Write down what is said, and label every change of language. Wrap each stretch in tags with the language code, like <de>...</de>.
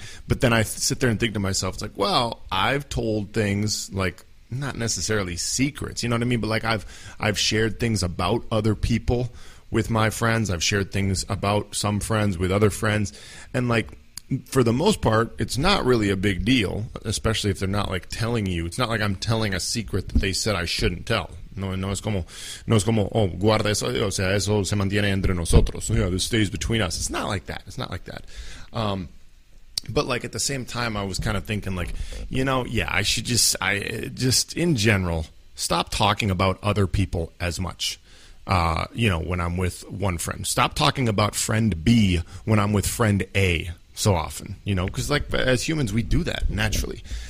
<en>But then I sit there and think to myself, it's like, well, I've told things, like, not necessarily secrets, you know what I mean, but like I've shared things about other people with my friends, I've shared things about some friends with other friends, and like for the most part it's not really a big deal, especially if they're not like telling you. It's not like I'm telling a secret that they said I shouldn't tell.</en> <es>No es como, oh, guarda eso, o sea, eso se mantiene entre nosotros.</es> <en>Yeah, this stays between us. It's not like that. But like at the same time, I was kind of thinking like, you know, yeah, I should just in general, stop talking about other people as much. You know, when I'm with one friend, stop talking about friend B when I'm with friend A so often, you know, cause like as humans, we do that naturally.</en>